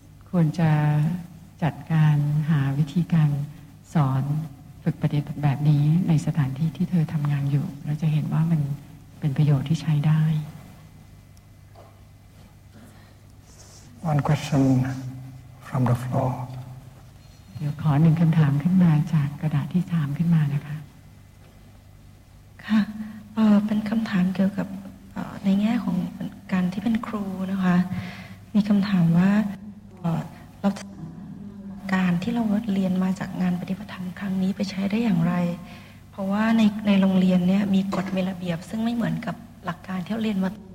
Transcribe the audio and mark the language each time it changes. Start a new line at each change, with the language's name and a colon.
Thai: ควรจะจัดการหาวิธีการสอนฝึกปฏิบัติแบบนี้ในสถานที่ที่เธอทำงานอยู่เราจะเห็นว่ามันเป็นประโยชน์ที่ใช้ได้
English: One question from the floor
Thai: เดี๋ยวขอหนึ่งคำถามขึ้นมาจากกระดาษที่ถามขึ้นมานะคะ ค่ะเป็นคำถามเกี่ยวกับในแง่ของการที่เป็นครูนะคะมีคำถามว่าเราการที่เราเรียนมาจากงานปฏิบัติธรรมครั้งนี้ไปใช้ได้อย่างไรเพราะว่าในโรงเรียนเนี่ยมีกฎมีระเบียบซึ่งไม่เหมือนกับหลักการที่เราเรียนมา